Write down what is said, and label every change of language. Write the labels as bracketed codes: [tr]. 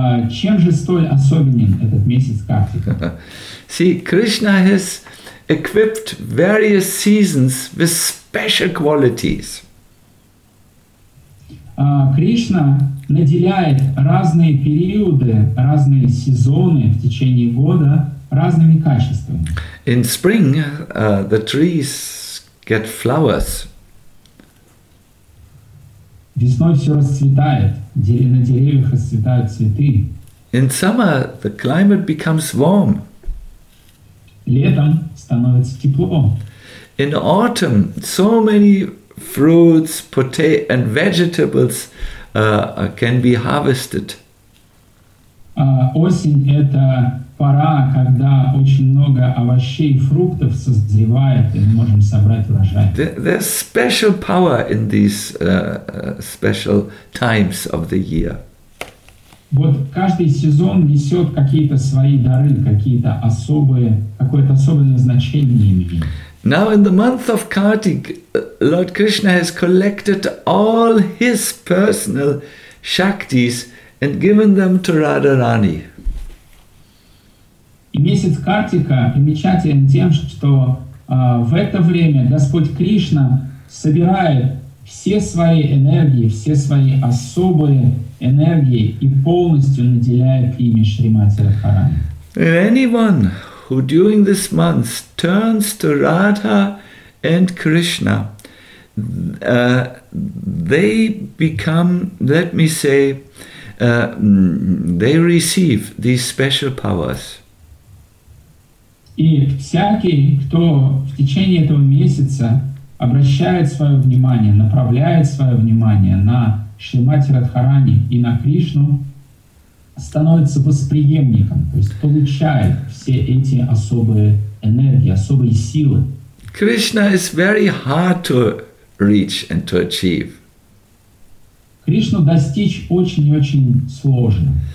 [ru] Чем же столь особенен этот месяц Картика? [en] See, Krishna has equipped various seasons with special qualities. [ru] Кришна наделяет разные периоды, разные сезоны в течение года разными качествами. [en] In spring, the trees get flowers. [ru] Весной все расцветает, на деревьях расцветают цветы. [en] In summer, the climate becomes warm. [ru] Летом становится тепло. [en] In autumn, so many fruits, potatoes and vegetables can be harvested. [ru] Осень – это пора, когда очень много овощей и фруктов созревает, и мы можем собрать урожай. [en] There's special power in these special times of the year. [ru] Вот каждый сезон несет какие-то свои дары, какие-то особые, какое-то особенное значение имеет. [en] Now in the month of Kartik, Lord Krishna has collected all his personal shaktis and given them to Radharani. [ru] И месяц Картика примечателен тем, что в это время Господь Кришна собирает все свои энергии, все свои особые энергии и полностью наделяет ими Шримати Радхарани. [en] Anyone who during this month turns to Radha and Krishna, they become, let me say, they receive these special powers. [ru] И всякий, кто в течение этого месяца обращает свое внимание, направляет свое внимание на Шримати Радхарани и на Кришну, становится восприемником, то есть получает все эти особые энергии, особые силы. [en] Krishna is very hard to reach and to achieve. [ru] Кришну достичь очень-очень сложно.